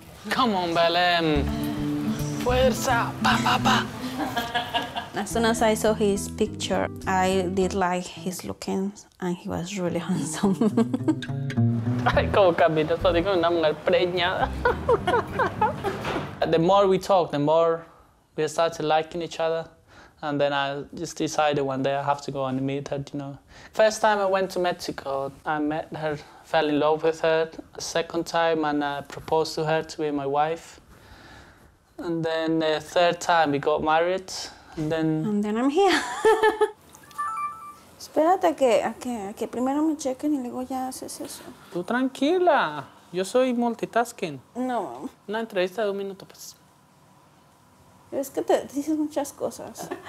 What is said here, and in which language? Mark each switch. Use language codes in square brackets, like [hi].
[es] Come on, Belém. Fuerza, pa, pa, pa. [en] As soon as I saw his picture, I did like his looking, and he was really handsome. [es] Ay, como camina, eso digo, una mujer preñada. [en] The more we talked, the more we started liking each other, and then I just decided one day I have to go and meet her, you know. First time I went to Mexico, I met her, fell in love with her. Second time, and I proposed to her to be my wife. And then the third time, we got married. And then I'm here. [es] Espérate a que primero me chequen y luego ya haces eso. Tú tranquila. Yo soy multitasking. No. Una entrevista de un minuto, pues. Es que te dices muchas cosas.